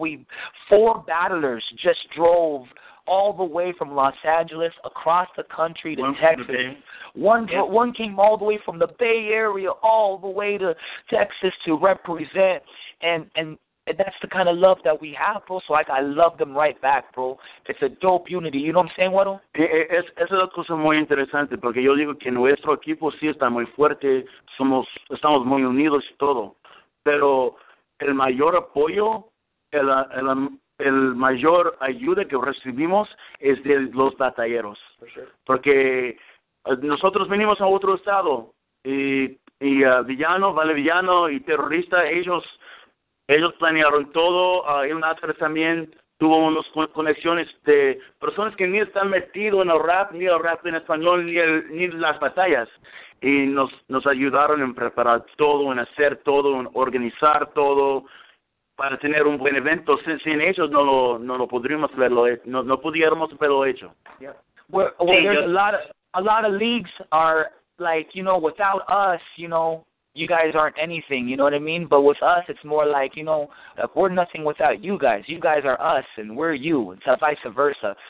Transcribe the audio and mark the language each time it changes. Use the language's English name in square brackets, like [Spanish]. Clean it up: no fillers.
[English] We four battlers just drove all the way from Los Angeles across the country to Texas. One came all the way from the Bay Area all the way to Texas to represent, and that's the kind of love that we have, bro. So I love them right back, bro. It's a dope unity. You know what I'm saying, Waddle? [Spanish] Es una cosa muy interesante porque yo digo que nuestro equipo sí está muy fuerte, estamos muy unidos y todo, pero el mayor apoyo, el mayor ayuda que recibimos es de los batalleros. Porque nosotros venimos a otro estado y Villano, Vale Villano y Terrorista, ellos planearon todo. El Nazar también tuvo unas conexiones de personas que ni están metidos en el rap en español, ni las batallas. Y nos ayudaron en preparar todo, en hacer todo, en organizar todo, para tener un buen evento. Sin ellos no lo podríamos haberlo hecho. No pudiéramos haberlo hecho. [English] Yeah. Well, there's a lot of leagues are like, you know, without us, you know, you guys aren't anything, you know what I mean? But with us, it's more like, you know, like we're nothing without you guys. You guys are us, and we're you, and so vice versa.